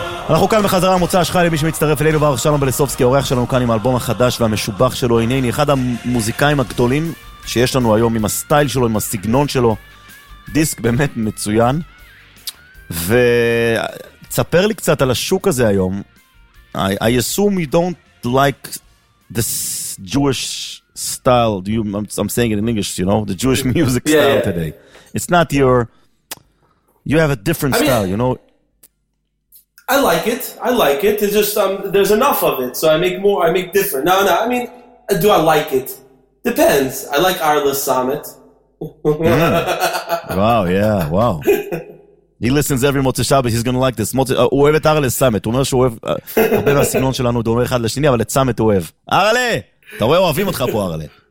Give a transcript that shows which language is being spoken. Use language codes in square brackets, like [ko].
[he] אנחנו כאן בחזרה מוצש חי, למי שמצטרף אלינו, ברוך שלום בלסובסקי, עורך שלנו כאן עם האלבום החדש והמשובח שלו, הנני, אחד המוזיקאים הגדולים שיש לנו היום, עם הסטייל שלו, עם הסגנון שלו, דיסק באמת מצוין. וצפר לי קצת על השוק הזה היום. [en] I assume you don't like this Jewish style. Do you, I'm saying it in English, you know, the Jewish music style today. It's not your, you have a different style, you know. I like it. It's just, there's enough of it. So I make more, I make different. No, no, I mean, do I like it? Depends. I like Arla Samet. Wow, yeah, wow. He listens every Motzei Shabbos, he's going to like this. [he] הוא אוהב את ארלה סמט, הוא אומר שהוא אוהב, הרבה מהסגנון שלנו דומה אחד לשני, אבל את סמט הוא אוהב. ארלה! אתה רואה, אוהבים אותך פה, ארלה.